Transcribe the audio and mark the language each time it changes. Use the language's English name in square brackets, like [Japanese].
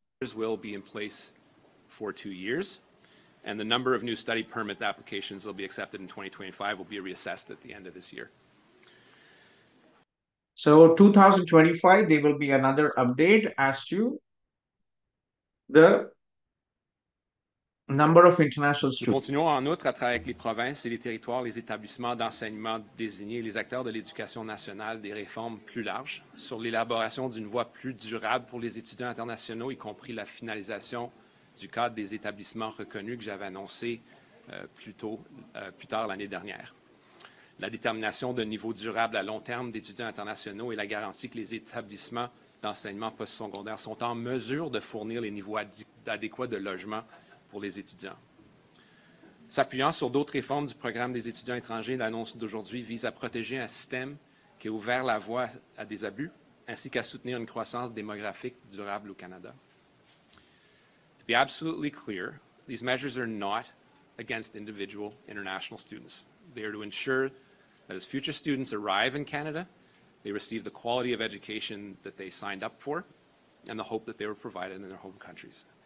[English] This will be in place for 2 years, and the number of new study permit applications that will be accepted in 2025 will be reassessed at the end of this year. So 2025, there will be another update as to the number of international students. [French] Continuons en outre à travailler avec les provinces et les territoires, les établissements d'enseignement désignés, les acteurs de l'éducation nationale, des réformes plus larges sur l'élaboration d'une voie plus durable pour les étudiants internationaux, y compris la finalisation du cadre des établissements reconnus que j'avais annoncé plus tôt, plus tard l'année dernière. la détermination d'un niveau durable à long terme d'étudiants internationaux et la garantie que les établissements d'enseignement postsecondaire sont en mesure de fournir les niveaux adéquats de logement pour les étudiants. S'appuyant sur d'autres réformes du programme des étudiants étrangers, l'annonce d'aujourd'hui vise à protéger un système qui a ouvert la voie à des abus, ainsi qu'à soutenir une croissance démographique durable au Canada. [English] To be absolutely clear, these measures are not against individual international students. They are to ensure that as future students arrive in Canada, they receive the quality of education that they signed up for and the hope that they were provided in their home countries.